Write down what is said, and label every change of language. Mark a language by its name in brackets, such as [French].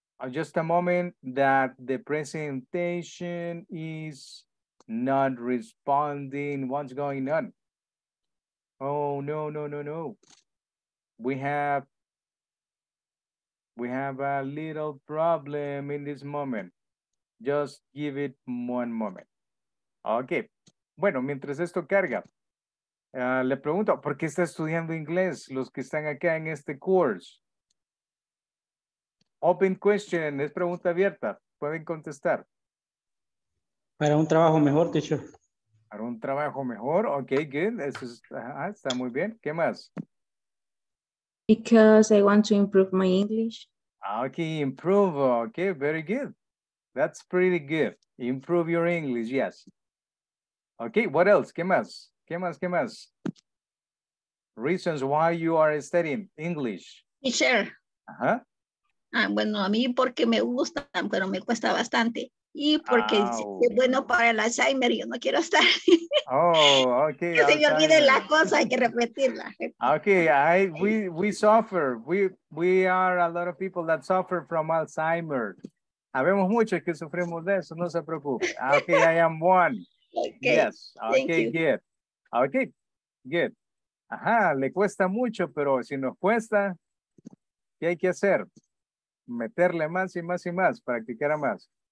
[English] Just a moment that the presentation is not responding. What's going on? Oh, no. We have a little problem in this moment. Just give it one moment. Okay. [Spanish] Bueno, mientras esto carga, le pregunto, ¿por qué está estudiando inglés los que están acá en este course? [English] Open question, [Spanish] es pregunta abierta. Pueden contestar. Para un trabajo mejor, teacher. Para un trabajo mejor. [English] Okay, good. [Spanish] Eso está muy bien. ¿Qué más? [English] Because I want to improve my English. Okay, improve. Okay, very good. That's pretty good. Improve your English, yes. Okay, what else? [Spanish] ¿Qué más? ¿Qué más? ¿Qué más? [English] Reasons why you are studying English. Teacher. Ajá. [Spanish] Ah, bueno, a mí porque me gusta, pero me cuesta bastante. Y porque es bueno para el Alzheimer, yo no quiero estar. [English] Oh, okay. [Spanish] Que se me olvide la cosa, hay que repetirla. [English] Okay, we suffer. We are a lot of people that suffer from Alzheimer. [Spanish] Habemos muchos que sufrimos de eso, no se preocupe. [English] Okay, I am one. Okay. Yes. Okay, good. Okay, good. [Spanish] Ajá, le cuesta mucho, pero si nos cuesta, ¿qué hay que hacer? Meterle más y más y más, practicar más.